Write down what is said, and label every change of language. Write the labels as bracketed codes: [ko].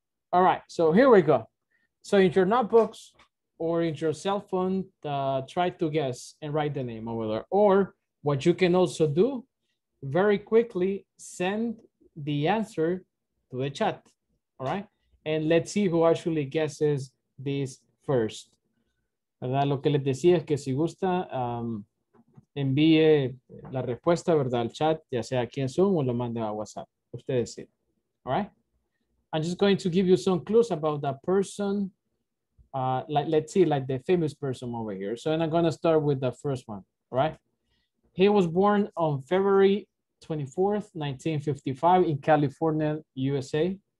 [en] All right, so here we go. So in your notebooks or in your cell phone, try to guess and write the name over there. Or what you can also do, very quickly, send the answer to the chat, all right? And let's see who actually guesses this first. [es] ¿Verdad? Lo que les decía es que si gusta, envíe la respuesta, ¿verdad? Al chat, ya sea aquí en Zoom o lo mande a WhatsApp. Ustedes sí, [en] all right? I'm just going to give you some clues about that person. Let's see, like the famous person over here. So, and I'm going to start with the first one, all right? He was born on February 24th, 1955 in California, USA.